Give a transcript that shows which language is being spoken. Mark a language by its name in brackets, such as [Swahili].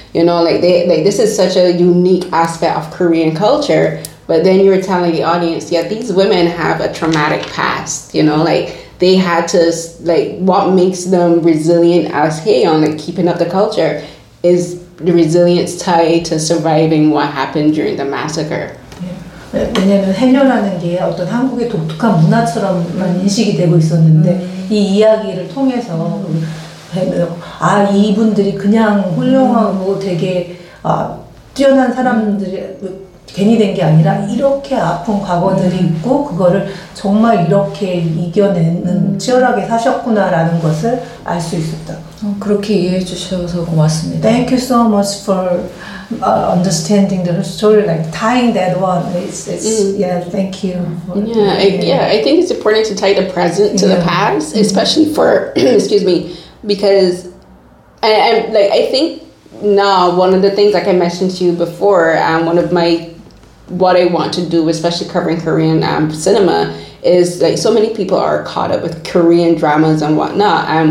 [English] You know, like this is such a unique aspect of Korean culture, but then you're telling the audience, yeah, these women have a traumatic past, you know? Like they had to, like what makes them resilient as Haeyeon, like keeping up the culture is the resilience tied to surviving what happened during the massacre. Yeah. [Korean] 왜냐면 해녀라는 게 어떤 한국의 독특한 문화처럼만 인식이 되고 있었는데 이 이야기를 통해서 아 이분들이 그냥 훌륭하고 되게 뛰어난 사람들이 괜히 된 게 아니라 이렇게 아픈 과거들이 있고 그거를 정말 이렇게 이겨내는 치열하게 사셨구나라는 것을 알 수 있었다. 그렇게 이해해 주셔서 고맙습니다. [English] Thank you so much for understanding the story, like tying that one. Thank you. I think it's important to tie the present to the past, especially for excuse me, because I think now one of the things like I mentioned to you before, one of my what I want to do, especially covering Korean cinema, is like so many people are caught up with Korean dramas and whatnot.